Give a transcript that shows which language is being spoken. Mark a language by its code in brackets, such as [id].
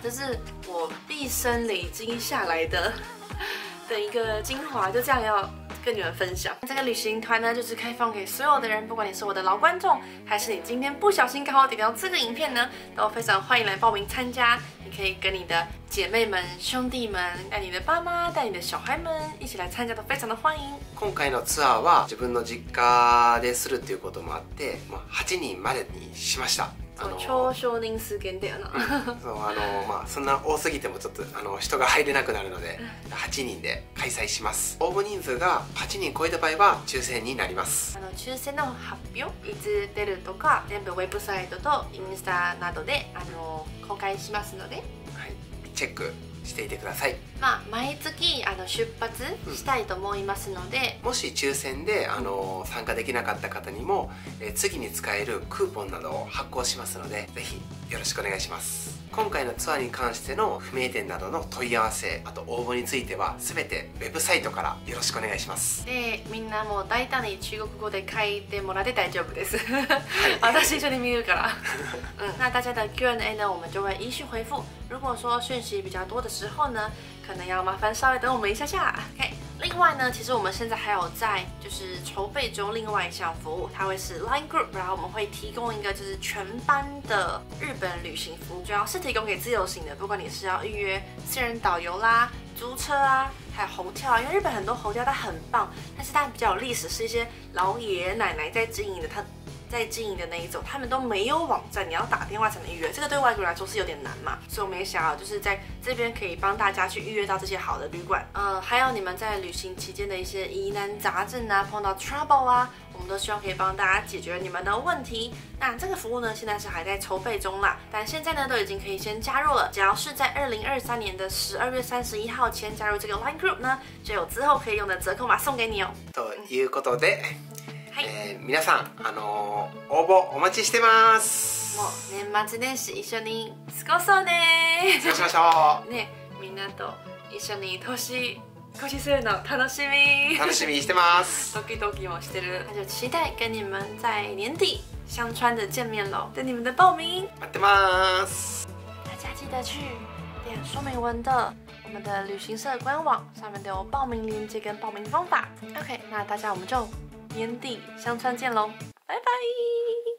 [zh] 这是我毕生累积下来的一个精华，就这样要跟你们分享。这个旅行团呢，就是开放给所有的人，不管你是我的老观众，还是你今天不小心刚好点到这个影片呢，都非常欢迎来报名参加。你可以跟你的姐妹们、兄弟们，带你的爸妈、带你的小孩们一起来参加，都非常的欢迎。 [ja] 今回のツアーは自分の実家でするということもあって、まあ8人までにしました。超少人数限定な。そう、まあそんな多すぎてもちょっと人が入れなくなるので、8人で開催します。応募人数が8人超えた場合は抽選になります。抽選の発表いつ出るとか、全部ウェブサイトとインスタなどで公開しますので、はい、チェックしていてください。まあ毎月出発したいと思いますので、もし抽選で参加できなかった方にも次に使えるクーポンなどを発行しますので、ぜひよろしくお願いします。今回のツアーに関しての不明点などの問い合わせ、あと応募についてはすべてウェブサイトからよろしくお願いします。で、みんなもう大胆に中国語で書いてもらって大丈夫です。私一緒に見るから。 [zh] 那大家的 Q&A 呢，我们就会依序回复。如果说讯息比较多的时候呢，可能要麻烦稍微等我们一下下。 OK。另外呢，其实我们现在还有在就是筹备中另外一项服务，它会是 LINE Group， 然后我们会提供一个就是全班的日本旅行服务，主要是提供给自由行的，不管你是要预约私人导游啦、租车啊，还有hotel啊，因为日本很多hotel它很棒，但是它比较有历史，是一些老爷爷奶奶在经营的，他在经营的那一种，他们都没有网站，你要打电话才能预约，这个对外国人来说是有点难嘛。所以我们也想要就是在这边可以帮大家去预约到这些好的旅馆。还有你们在旅行期间的一些疑难杂症啊，碰到 trouble 啊，我们都希望可以帮大家解决你们的问题。那这个服务呢，现在是还在筹备中啦，但现在呢都已经可以先加入了。只要是在2023年的12月31号前加入这个 LINE Group 呢，就有之后可以用的折扣码送给你哦。 [ja] ということで。皆さん、応募お待ちしてます。もう年末年始一緒に過ごそうね。過ごしましょう。ね、みんなと一緒に年越しするの楽しみ。楽しみしてます。ドキドキもしてる。 [zh] 那就期待跟你们在年底香川で见面咯。等你们的报名。 [ja] 待ってます。 [zh] 大家记得去点说明文的我们的旅行社官网，上面都有报名链接跟报名方法。 OK， 那大家我们就年底香川见咯，拜拜。